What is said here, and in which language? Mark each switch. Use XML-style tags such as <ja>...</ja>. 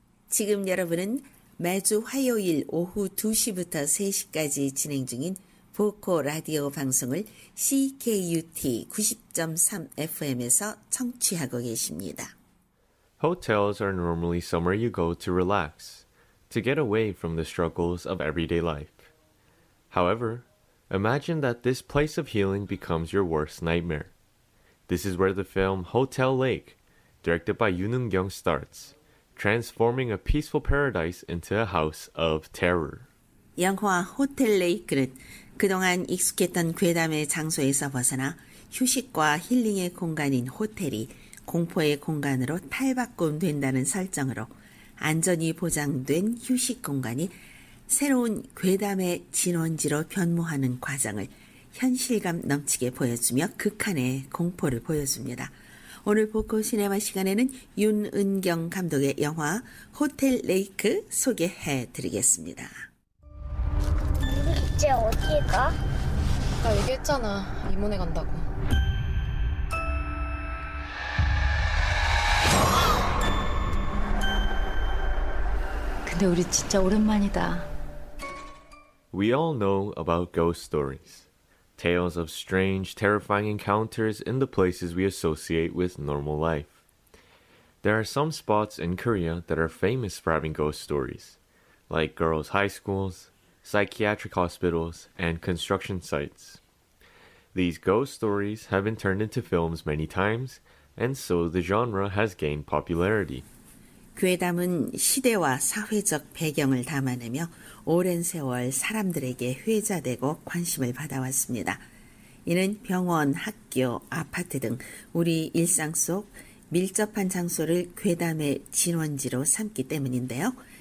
<ko>지금 여러분은 매주 화요일 오후 2시부터 3시까지 진행 중인 보코 라디오 방송을 CKUT 90.3 FM에서 청취하고 계십니다.</ko> <en>Hotels are normally somewhere you go to relax, to get away from the struggles of everyday life. However, imagine that this place of healing becomes your worst nightmare. This is where the film Hotel Lake, directed by Yoon Eun-kyung, starts, transforming a peaceful paradise into a house of terror.</en> <ko>영화 호텔 레이크는 그동안 익숙했던 괴담의 장소에서 벗어나 휴식과 힐링의 공간인 호텔이 공포의 공간으로 탈바꿈된다는 설정으로 안전이 보장된 휴식 공간이 새로운 괴담의 진원지로 변모하는 과정을 현실감 넘치게 보여주며 극한의 공포를 보여줍니다. 오늘 보코 시네마 시간에는 윤은경 감독의 영화 호텔 레이크 소개해 드리겠습니다. 이제 어디가? 아까 얘기했잖아. 이모네 간다고. 근데 우리 진짜 오랜만이다.</ko> <en>We all know about ghost stories. Tales of strange, terrifying encounters in the places we associate with normal life. There are some spots in Korea that are famous for having ghost stories, like girls' high schools, psychiatric hospitals, and construction sites. These ghost stories have been turned into films many times, and so the genre has gained popularity.</en> <ko>괴담은 시대와 사회적 배경을 담아내며 오랜 세월 사람들에게 회자되고 관심을 받아왔습니다. 이는 병원, 학교, 아파트 등 우리 일상 속 밀접한 장소를 괴담의 진원지로 삼기 때문인데요.</ko>